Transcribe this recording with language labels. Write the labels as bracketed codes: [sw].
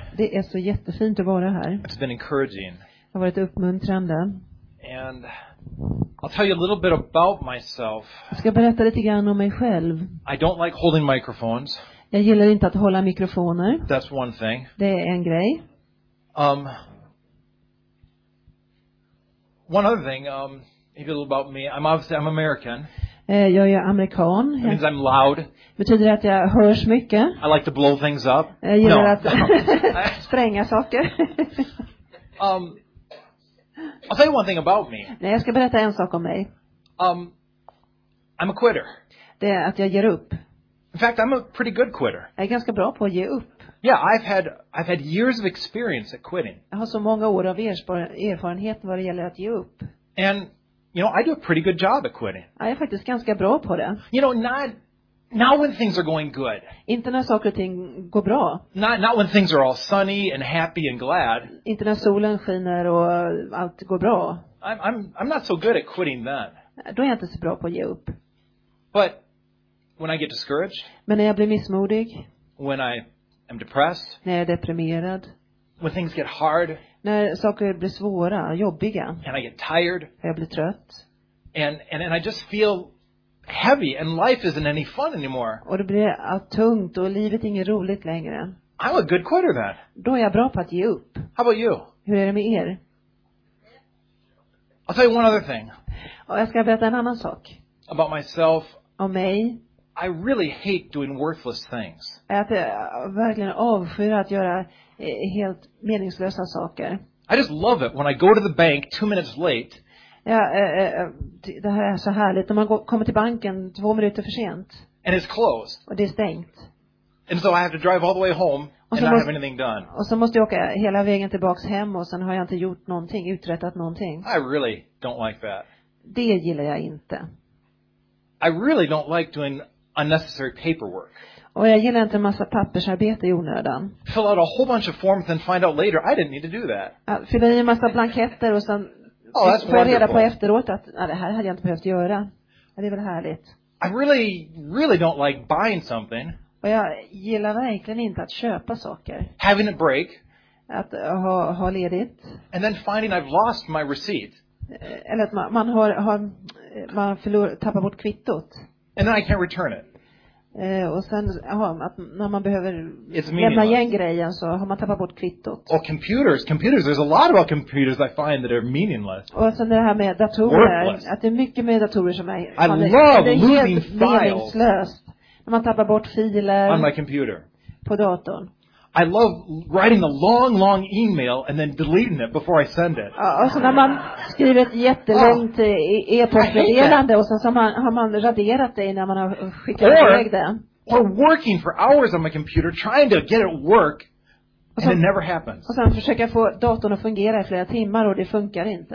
[sv] Det är så jättefint att vara här. [en] It's been encouraging. [sv] Det har varit uppmuntrande. [en] And I'll tell you a little bit about myself. [sv] Jag ska berätta lite grann om mig själv. [en] I don't like holding microphones. [sv] Jag gillar inte att hålla mikrofoner. [en] That's one thing. [sv] Det är en grej. [en] One other thing, maybe a little about me. I'm obviously I'm American. [sv] Jag är amerikan. [en] It means I'm loud. [sv] Betyder att jag hörs mycket. [en] I like to blow things up. [sv] Jag gillar att spränga saker. [en] I'll tell you one thing about me. [sv] Nej, jag ska berätta en sak om mig. [en] I'm a quitter. [sv] Det är att jag ger upp. [en] In fact, I'm a pretty good quitter. [sv] Jag är ganska bra på att ge upp. [en] Yeah, I've had years of experience at quitting. [sv] Jag har så många år av erfarenhet vad det gäller att ge upp. [en] And you know, I do a pretty good job at quitting. [sv] Jag är faktiskt ganska bra på det. [en] You know, not when things are going good. [sv] Inte när saker och ting går bra. [en] Not when things are all sunny and happy and glad. [sv] Inte när solen skiner och allt går bra. [en] I'm not so good at quitting then. [sv] Då är jag inte så bra på att ge upp. [en] But when I get discouraged. [sv] Men när jag blir missmodig. [en] When I am depressed. [sv] När jag är deprimerad. [en] When things get hard. [sv] När saker blir svåra, jobbiga. [en] And I get tired. [sv] Jag blir trött. [en] And I just feel heavy and life isn't any fun anymore. [sv] Och det blir allt tungt och livet är inget roligt längre. [en] I'm a good quitter then. [sv] Då är jag bra på att ge upp. [en] How about you? [sv] Hur är det med er? [en] I'll tell you one other thing. [sv] Och jag ska berätta en annan sak. [en] About myself. [sv] Om mig. [en] I really hate doing worthless things. [sv] Att verkligen avskyr att göra helt meningslösa saker. [en] I just love it when I go to the bank 2 minutes late. [sv] Ja, det här är så härligt. När man kommer till banken 2 minuter för sent. [en] And it's closed. [sv] Och det är stängt. [en] And so I have to drive all the way home and not have anything done. [sv] Och så måste jag åka hela vägen tillbaks hem och sen har jag inte gjort någonting, uträttat någonting. [en] I really don't like that. [sv] Det gillar jag inte. [en] I really don't like doing unnecessary paperwork. [sv] Och jag gillar inte en massa pappersarbete i onödan. [en] Fill out a whole bunch of forms and find out later I didn't need to do that. [sv] Fylla i en massa blanketter och sen får jag reda på efteråt att det här hade jag inte behövt göra. Det är väl härligt. [en] I really, really don't like buying something. [sv] Och jag gillar verkligen inte att köpa saker. [en] Having a break. [sv] Att ha ledigt. [en] And then finding I've lost my receipt. [sv] Eller att man tappar bort kvittot. [en] And then I can't return it. [sv] Och sen att när man behöver lämna igen grejen så har man tappat bort kvittot. Och [en] computers, there's a lot about computers I find that are meaningless. [sv] Och sen det här med datorer, [en] worthless. [sv] Att det är mycket med datorer som är [en] I love losing files. [sv] När man tappar bort filer [en] on my computer. [sv] På datorn. [en] I love writing a long email and then deleting it before I send it. [sv] Alltså när man skriver ett jättelångt e-postmeddelande och sen så har man raderat det innan man har skickat iväg det. [en] Or working for hours on my computer trying to get it work and it never happens. [sv] Och sen försöka få datorn att fungera i flera timmar och det funkar inte.